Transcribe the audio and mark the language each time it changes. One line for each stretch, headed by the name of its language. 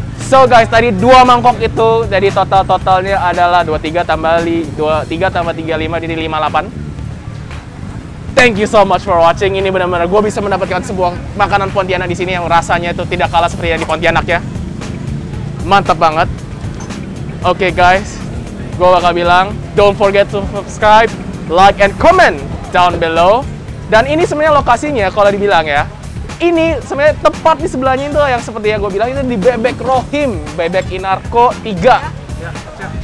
Indonesian: So guys, tadi 2 mangkok itu, jadi total-totalnya adalah 23 tambah 35 jadi 58.
English: Thank you so much for watching.
Indonesian: Ini benar-benar gue bisa mendapatkan sebuah makanan Pontianak di sini yang rasanya itu tidak kalah seperti yang di Pontianak ya. Mantap banget.
English: Okay, guys,
Indonesian: gue bakal bilang,
English: don't forget to subscribe, like, and comment down below.
Indonesian: Dan ini sebenarnya lokasinya kalau dibilang ya, ini sebenarnya tepat di sebelahnya itu yang seperti yang gue bilang, itu di Bebek Rohim, Bebek Inarko 3.